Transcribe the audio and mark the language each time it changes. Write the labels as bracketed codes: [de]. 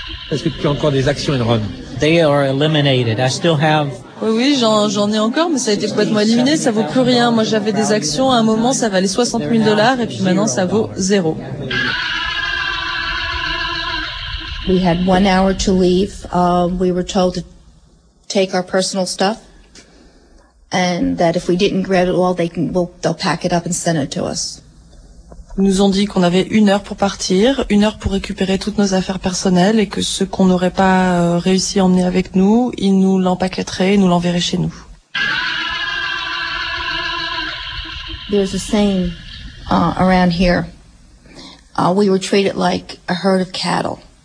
[fr] Est-ce que tu as encore des actions, Enron? [en] They are eliminated. I still have. [fr] Oui, j'en ai encore, mais ça a été complètement éliminé. Ça vaut plus rien. Moi, j'avais des actions. À un moment, ça valait 60 000 $, et puis maintenant, ça vaut zéro. [en] We had 1 hour to leave. We were told to take our personal stuff. And that if we didn't grab it all, they'll pack it up and send it to us. [fr] Ils nous ont dit qu'on avait une heure pour partir, une heure pour récupérer toutes nos affaires personnelles, et que ce qu'on n'aurait pas réussi à emmener avec nous, ils nous l'empaqueteraient et nous l'enverraient chez nous. [en] There's a saying around here. We were treated like a herd of cattle.